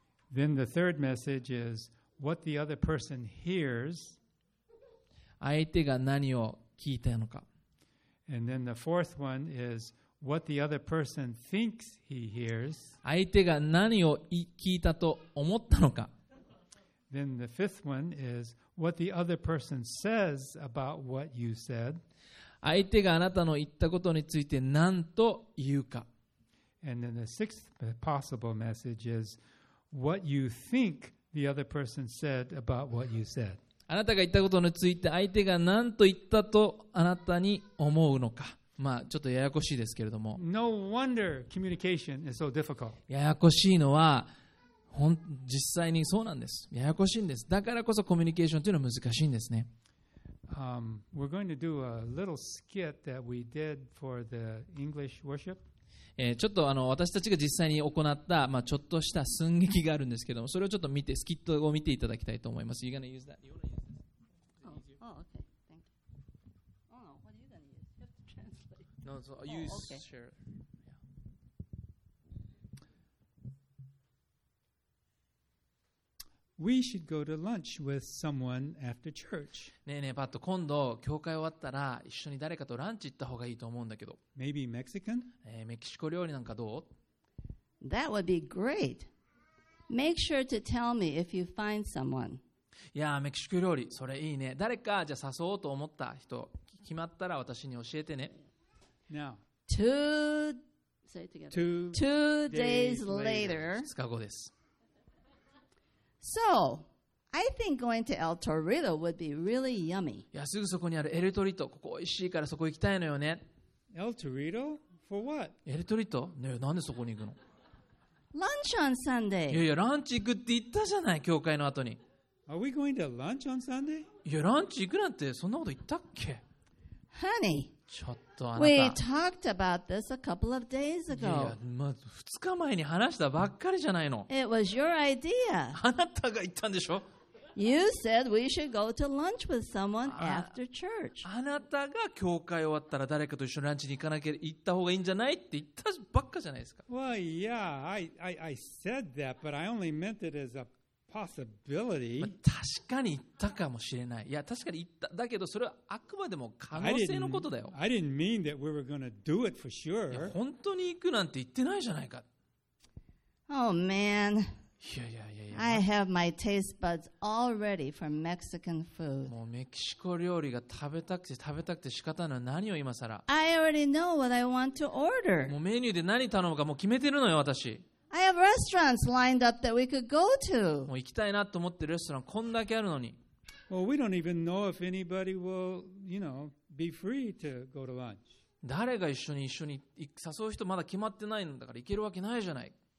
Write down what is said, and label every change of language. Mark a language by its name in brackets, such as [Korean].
[English] Then the third message is what the other person hears. [Japanese] 相手が何を聞いたのか。 [English] And then the fourth one is what the other person thinks he hears. [Japanese] 相手が何を聞いたと思ったのか。 [English] Then the fifth one is what the other person says about what you said. [Japanese] 相手があなたの言ったことについて何と言うか。 [English] And then the sixth possible message is what you think the other person said about what you said. [Japanese] あなたが言ったことについて相手が何と言ったとあなたに思うのか。まあちょっとややこしいですけれども。 [English] No wonder communication is so difficult. [Japanese] ややこしいのは実際にそうなんです。ややこしいんです。だからこそコミュニケーションというのは難しいんですね。 [English] We're going to do a little skit that we did for the English worship. [Japanese] ちょっと私たちが実際に行った、まあ、ちょっとした寸劇があるんですけども、それをちょっと見て、スキットを見ていただきたいと思います。 [English] You're gonna use that? You wanna use that? Oh, okay. Thank you. Oh, what are you gonna use? You have to translate. No, so I'll use. Oh, okay. Sure. We should go to lunch with someone after church. [Japanese] ねえねえ、パッと今度教会終わったら一緒に誰かとランチ行った方がいいと思うんだけど。 [English] Maybe Mexican? [Japanese] メキシコ料理なんかどう? [English] That would be great. Make sure to tell me if you find someone. [Japanese] やメキシコ料理それいいね誰かじゃ誘おうと思った人決まったら私に教えてね [English] Now two, say it together. Two days later [Japanese] 2日後です [English] So I think going to El Torito would be really yummy [Japanese] いやすぐそこにあるエルトリトここおいしいからそこ行きたいのよね [English] El Torito? For what? [Japanese] エルトリト、ね、なんでそこに行くの [English] Lunch on Sunday. [Japanese] いやいやランチ行くって言ったじゃない教会の後に。 [English] Are we going to lunch on Sunday? [Japanese] いやランチ行くなんてそんなこと言ったっけ [English] ？Honey. [Japanese] ちょっとあなた。 [English] We talked about this a couple of days ago. [Japanese] いやいやまず二日前に話したばっかりじゃないの。 [English] It was your idea. [Japanese] あなたが言ったんでしょ [English] ？You said we should go to lunch with someone after church. [Japanese] あなたが教会終わったら誰かと一緒にランチに行かなきゃ行った方がいいんじゃないって言ったじゃん。 [English] Well, yeah, I said that, but I only meant it as a possibility. [Japanese] 確かに言ったかもしれない。いや、確かに言った。だけど、それはあくまでも可能性のことだよ。 [English] I didn't mean that we were going to do it for sure. [Japanese] 本当に行くなんて言ってないじゃないか。 [English] Oh, man. [Japanese] いやいやいやいや。 [English] I have my taste buds all ready for Mexican food. [Japanese] もうメキシコ料理が食べたくて食べたくて仕方ない。何を今さら。 [English] I already know what I want to order. [Japanese] もうメニューで何頼むかもう決めてるのよ私。 [English] I have restaurants lined up that we could go to. [Japanese] もう行きたいなと思ってるレストランこんだけあるのに。 [English] Well, we don't even know if anybody will, you know, be free to go to lunch. [Japanese] 誰が一緒に誘う人まだ決まってないんだから行けるわけないじゃない。